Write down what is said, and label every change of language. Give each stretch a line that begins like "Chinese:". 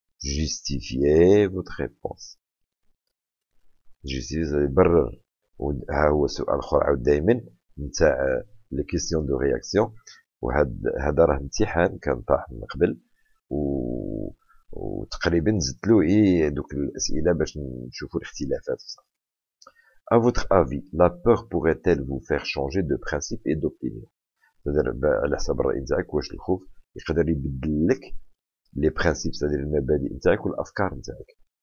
French: جيستيفي فوت ريبونس، جيستيفي برر.
Arabic: ها هو سؤال اخر عاود دايما نتاع لي كيستيون دو رياكسيون، وهاد هذا راه امتحان كان طاح من قبل وتقريبا زدت له اي دوك الاسئله باش نشوفوا الاختلافات.
French: A votre avis, la peur pourrait-elle vous faire changer de principe et d'opinion? C'est-à-dire,
Arabic: على حسب الراي نتاعك واش الخوف يقدر يبدل لك لي برينسيپ، c'est-à-dire المبادئ نتاعك والافكار نتاعك.